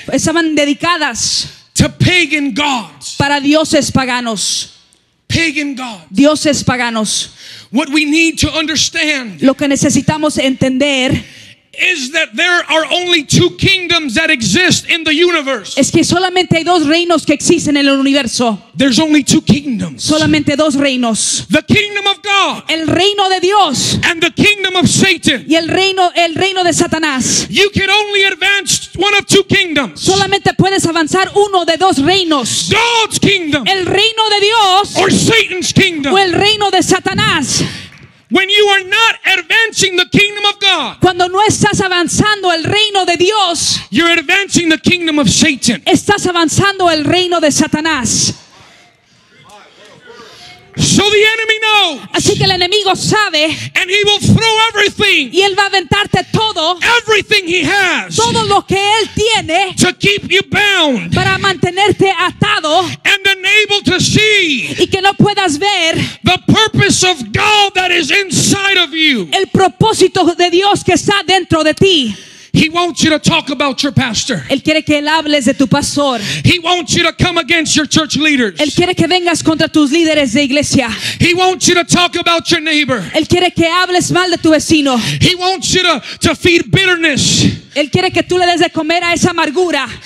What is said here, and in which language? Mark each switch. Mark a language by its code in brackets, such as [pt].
[es] Estaban dedicadas. [en] To pagan gods. [es] Para dioses paganos. [en] Pagan gods. [es] Dioses paganos. [en] What we need to understand. [es] Lo que necesitamos entender. [en] Is that there are only two kingdoms that exist in the universe? [es] Es que solamente hay dos reinos que existen en el universo. [en] There's only two kingdoms. [es] Solamente dos reinos. [en] The kingdom of God. [es] El reino de Dios. [en] And the kingdom of Satan. [es] Y el reino de Satanás. [en] You can only advance one of two kingdoms. [es] Solamente puedes avanzar uno de dos reinos. [en] God's kingdom. [es] El reino de Dios. [en] Or Satan's kingdom. [es] O el reino de Satanás. [en] When you are not advancing the kingdom of God, [es] cuando no estás avanzando el reino de Dios, [en] you're advancing the kingdom of Satan. [es] Estás avanzando el reino de Satanás. [en] So the enemy knows. [es] Así que el enemigo sabe. [en] And he will throw everything. [es] Y él va a aventarte todo. [en] Everything he has. [es] Todo lo que él tiene. [en] To keep you bound. [es] Para mantenerte atado. [en] And unable to see. [es] Y que no puedas ver. [en] The purpose of God that is inside of you. [es] El propósito de Dios que está dentro de ti. [en] He wants you to talk about your pastor. [es] Él quiere que él hables de tu pastor. [en] He wants you to come against your church leaders. [es] Él quiere que vengas contra tus líderes de iglesia. [en] He wants you to talk about your neighbor. [es] Él quiere que hables mal de tu vecino. [en] He wants you to feed bitterness. [es] Él quiere que tú le des de comer a esa amargura.